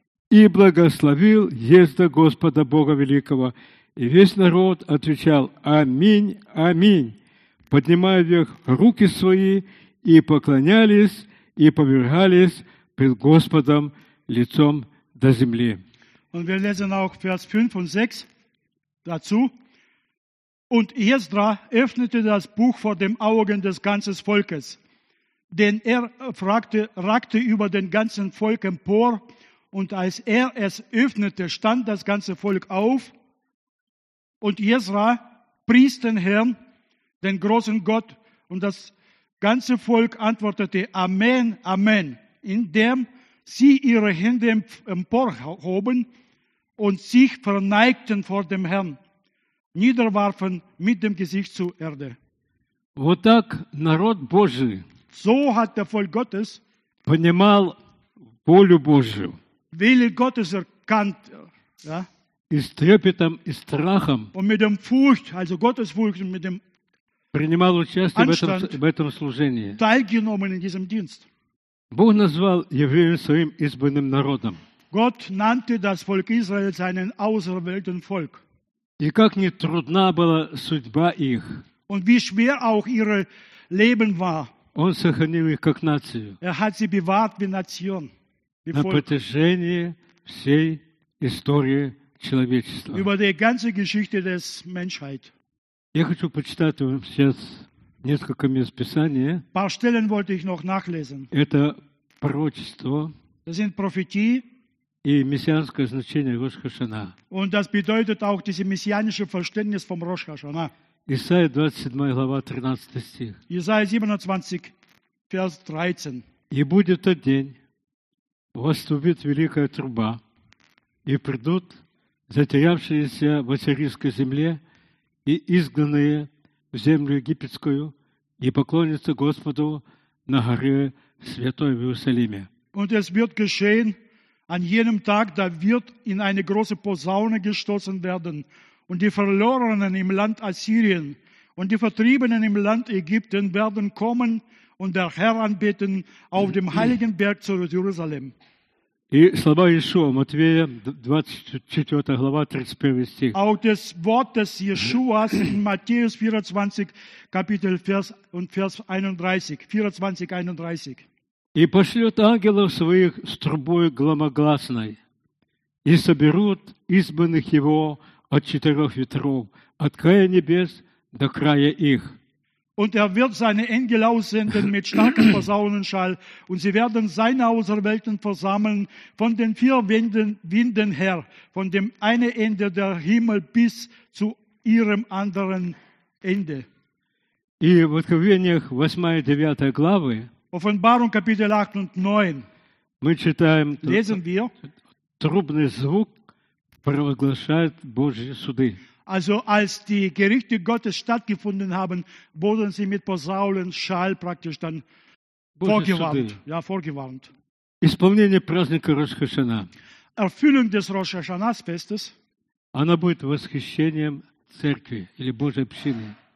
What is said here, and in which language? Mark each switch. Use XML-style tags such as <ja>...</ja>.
<ru>И благословил Ездра Господа Бога Великого. И весь народ отвечал: «Аминь, аминь», поднимая вверх руки свои, и поклонялись, и повергались пред Господом лицом до земли.</ru> <de>Und wir lesen auch Vers 5 und 6 dazu. Und Ezra öffnete das Buch vor dem Augen des ganzen Volkes, denn er ragte über den ganzen Volk empor, und als er es öffnete, stand das ganze Volk auf, und Ezra pries den Herrn, den großen Gott, und das ganze Volk antwortete: Amen, Amen, indem sie ihre Hände emporhoben und sich verneigten vor dem Herrn, niederwarfen mit dem Gesicht zur Erde.</de> <ru>Вот так народ Божий,</ru> <de>so hat der Volk Gottes,</de> <ru>понимал волю Божию,</ru> <de>Wille Gottes erkannt, ja,</de> <ru>и с трепетом, и страхом,</ru> <de>und mit dem Furcht, also Gottes Furcht, mit dem</de> <ru>принимал участие в этом служении.</ru> <de>Teilgenommen in diesem Dienst.</de> <ru>Бог назвал евреев своим избранным народом.</ru> <de>Gott nannte das Volk Israel seinen auserwählten Volk.</de> <ru>И как не трудна была судьба их.</ru> <de>Und wie schwer auch ihr Leben war.</de> <ru>Он сохранил их как нацию.</ru> <de>Er hat sie bewahrt wie Nation.</de> <ru>На протяжении всей истории человечества.</ru> <de>Über die ganze Geschichte des Menschheit.</de> <ru>Я хочу почитать вам сейчас несколько мест Писания.</ru> <de>Paar Stellen wollte ich noch nachlesen.</de> <ru>Это пророчество.</ru> <de>Das sind Prophetie.</de> <ru>И мессианское значение Рош Хашана.</ru> <de>Und das bedeutet auch dieses messianische Verständnis vom Rosh Hashanah.</de> <ru>Исаия 27 глава 13 стих. Исаия 27, Vers 13. И будет тот день, воступит великая труба, и придут затерявшиеся в ассирийской земле и изгнанные в землю египетскую, и поклонятся Господу на горе Святой в Иерусалиме.</ru> <de>Und es wird geschehen, an jenem Tag, da wird in eine große Posaune gestoßen werden, und die Verlorenen im Land Assyrien und die Vertriebenen im Land Ägypten werden kommen und der Herr anbeten auf dem heiligen Berg zu Jerusalem.</de> <ru>И слова Иешуа, Матвея, 24 глава, 31 стих.</ru> <de>Auch das Wort des Jeschuas in Matthäus 24, Kapitel Vers und Vers 31, 24, 31.</de> <ru>И пошлет ангелов своих с трубой громогласной, и соберут избранных его от четырех ветров, от края небес до края их.</ru> <de>Und wird seine Engel aussenden mit starkem Posaunenschall, und sie werden seine Auserwählten versammeln von den vier Winden her, von dem einen Ende der Himmel bis zu ihrem anderen Ende.</de> <ru>И в Откровениях 8 и 9 главы,</ru> <de>Offenbarung Kapitel 8 und 9,</de> <ru>мы читаем,</ru> <de>lesen wir,</de> <ru>трубный звук провозглашает Божьи суды.</ru> <de>Also als die Gerichte Gottes stattgefunden haben, wurden sie mit Posaunenschall praktisch dann vorgewarnt.</de> <ru>Исполнение праздника Рош Хашана.</ru> <de>Erfüllung des Rosh Hashanah Festes.</de> <ru>Она будет восхищением церкви или Божьей общины.</ru>